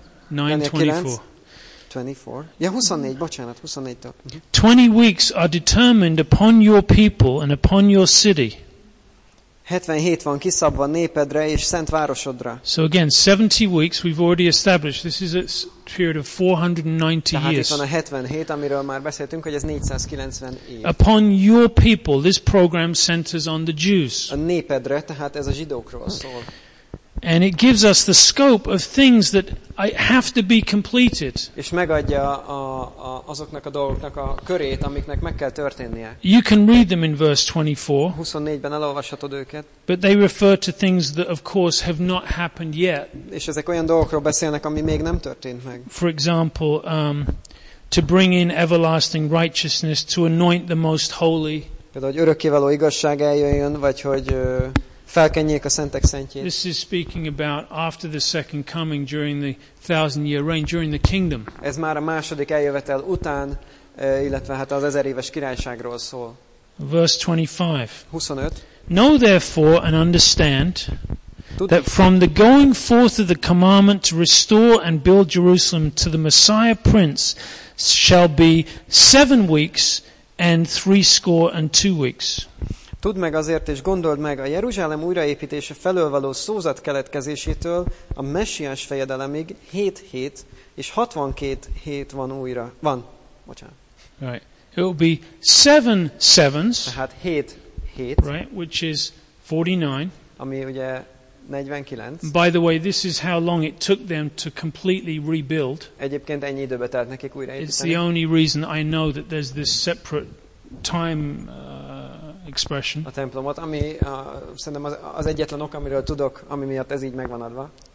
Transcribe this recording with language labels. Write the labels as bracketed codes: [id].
[en] 20 weeks are determined upon your people and upon your city. [hu] 77 van kiszabva népedre és szent városodra. [en] So again, 70 weeks we've already established. This is a period of 490 years. [hu] Tehát itt van a 77, amiről már beszéltünk, hogy ez 490 év. [en] Upon your people, this program centers on the Jews. [hu] A népedre, tehát ez a zsidókról szól. [en] And it gives us the scope of things that I have to be completed. [hu] És megadja azoknak a dolgoknak a körét, amiknek meg kell történnie. [en] You can read them in verse 24. [hu] 24-ben elolvashatod őket. [en] But they refer to things that of course have not happened yet. [hu] És ezek olyan dolgokról beszélnek, ami még nem történt meg. [en] For example, to bring in everlasting righteousness, to anoint the most holy. [hu] Például, hogy örökkévaló igazság eljöjjön, vagy hogy felkenjék a szentek szentjét. [en] This is speaking about after the second coming during the thousand year reign during the kingdom. [hu] Ez már a második eljövetel után, illetve hát az ezer éves királyságról szól. [en] Verse 25. [hu] 25. [en] Know therefore and understand that from the going forth of the commandment to restore and build Jerusalem to the Messiah Prince shall be 7 weeks and 62 weeks. [hu] Tudd meg azért, és gondold meg, a Jeruzsálem újraépítése felől való szózat keletkezésétől a messiás fejedelemig 7 hét és 62 hét van újra. Van. Bocsánat. [en] Right. It will be 7 sevens. [hu] Tehát 7 hét. [en] Right, which is 49. [hu] Ami ugye 49. [en] By the way, this is how long it took them to completely rebuild. [hu] Egyébként ennyi időbe telt nekik újraépíteni. [en] It's the only reason I know that there's this separate time expression. [hu] A templomot, ami szerintem az egyetlen ok, amiről tudok, ami miatt ez így megvan adva.